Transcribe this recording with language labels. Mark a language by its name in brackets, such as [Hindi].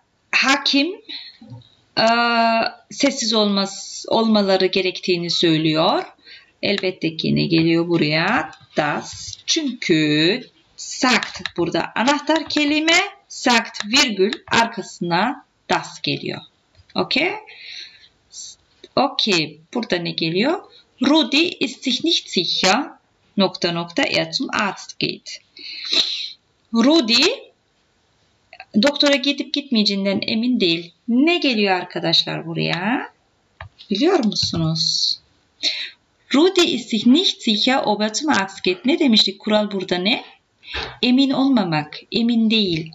[Turkish] Hakim sessiz olmaları gerektiğini söylüyor. Elbette ki ne geliyor buraya? Das. Çünkü sagt burada anahtar kelime. Sagt virgül arkasına das geliyor. Okay? Okay, burada ne geliyor? [German] Rudi ist sich nicht sicher. [Turkish] Nokta nokta, [German] er zum Arzt geht. [Turkish] Rudi doktora gidip gitmeyeceğinden emin değil. Ne geliyor arkadaşlar buraya? Biliyor musunuz? [German] Rudi ist sich nicht sicher, ob er zum Arzt geht. [Turkish] Ne demiştik? Kural burada ne? Emin olmamak, emin değil.